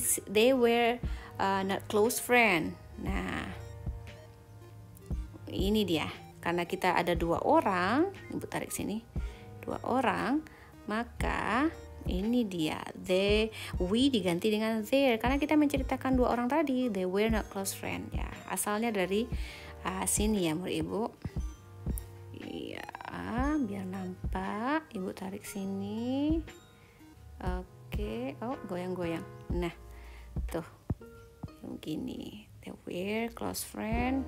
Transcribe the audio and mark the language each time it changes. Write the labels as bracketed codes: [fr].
[en] They were not close friend. [id] Nah, ini dia. Karena kita ada dua orang, Ibu tarik sini, dua orang, maka ini dia. We diganti dengan their. Karena kita menceritakan dua orang tadi, [en] they were not close friend. [id] Ya, asalnya dari sini ya, murid Ibu. Iya, biar nampak. Ibu tarik sini. Oke, oh goyang-goyang. Nah, tuh begini, [en] they were close friend.